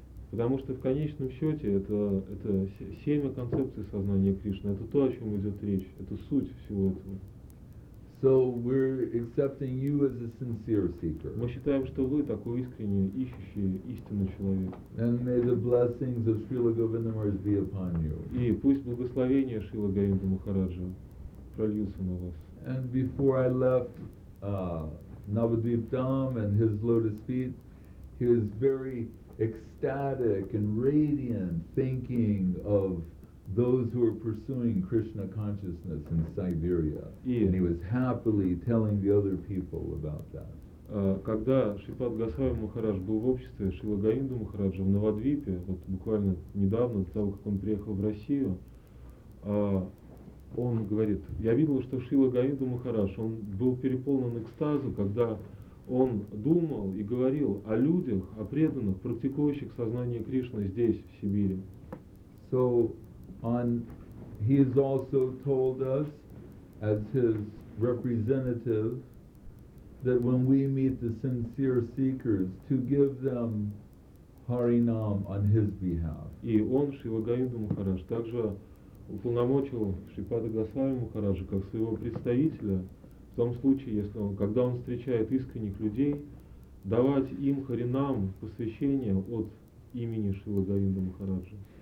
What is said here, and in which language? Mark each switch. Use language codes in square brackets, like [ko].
[ru] Потому что в конечном счете это семя концепции сознания Кришны, это то, о чем идет речь, это суть всего этого. [en] So we're accepting you as a sincere seeker. [ru] Мы считаем, что вы такой искренний ищущий истинный человек. [en] And may the blessings of Srila Govinda Maharaj be upon you. [ru] И пусть благословение Шрилы Говинды Махараджа прольются на вас. [en] And before I left Navadvip Dham and his lotus feet, he was very ecstatic and radiant, thinking of those who are pursuing Krishna consciousness in Siberia. And he was happily telling the other people about that. [ru] Когда Шрипад Госвами Махарадж был в обществе Шрилы Говинды Махараджа в Навадвипе, вот буквально недавно, до того, как он приехал в Россию, он говорит, я видел, что Шрила Говинда Махарадж, он был переполнен экстазу, когда он думал и говорил о людях, о преданных, практикующих сознание Кришны здесь, в Сибири. [en] So, on, he has also told us, as his representative, that when we meet the sincere seekers, to give them Harinam on his behalf. [ru] И он, Шрила Говинда Махарадж, также уполномочил Шрипада Госвами Махараджа как своего представителя в том случае, если он, когда он встречает искренних людей, давать им Харинам посвящение от имени Шрилы Говинды Махараджа.